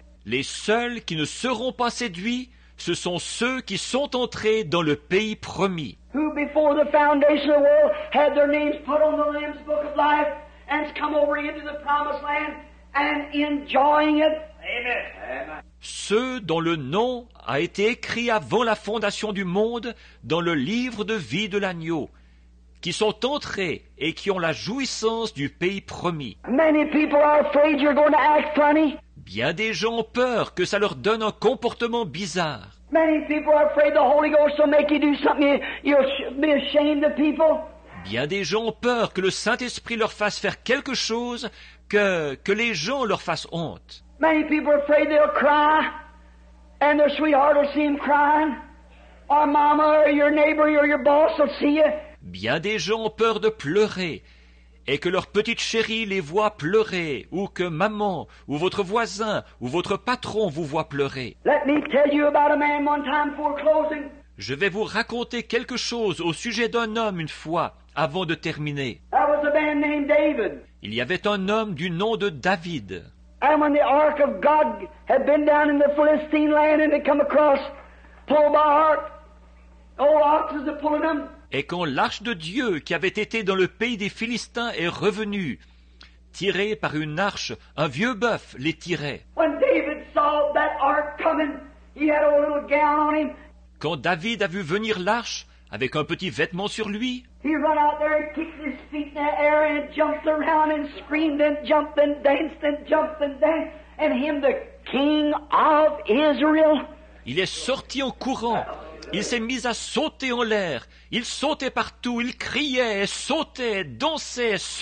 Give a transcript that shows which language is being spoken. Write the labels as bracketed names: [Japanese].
[French] Les seuls qui ne seront pas séduits, ce sont ceux qui sont entrés dans le pays promis. [English] Who before the foundation of the world had their names put on the Lamb's book of life and come over into the promised land and enjoying it. Amen. [French] Ceux dont le nom a été écrit avant la fondation du monde dans le livre de vie de l'agneau, qui sont entrés et qui ont la jouissance du pays promis. [English] Many people are afraid you're going to act funny. [French] Bien des gens ont peur que ça leur donne un comportement bizarre. [English] Many people are afraid the Holy Ghost will make you do something you'll be ashamed of people. [French] Bien des gens ont peur que le Saint-Esprit leur fasse faire quelque chose que les gens leur fassent honte. [English] Many people are afraid they'll cry and their sweetheart will see them crying. Or mama or your neighbor or your boss will see you. [French] Bien des gens ont peur de pleurer et que leur petite chérie les voit pleurer ou que maman ou votre voisin ou votre patron vous voit pleurer. [English] Let me tell you about a man one time before closing. [French] Je vais vous raconter quelque chose au sujet d'un homme une fois avant de terminer. [English] That was a man named David. [French] Il y avait un homme du nom de David. [English] And when the ark of God had been down in the Philistine land and had come across Pobar, old oxen are pulling them. [French] Et quand l'arche de Dieu qui avait été dans le pays des Philistins est revenue, tirée par une arche, un vieux bœuf les tirait. [English] When David saw that ark coming, he had a little gown on him. [French] Quand David a vu venir l'arche avec un petit vêtement sur lui, [English] he ran out there and kicked his feet in the air and jumped around and screamed and jumped and danced, and him the king of Israel. [French] Il est sorti en courant. Il s'est mis à sauter en l'air. Il sautait partout. Il criait, sautait, dansait.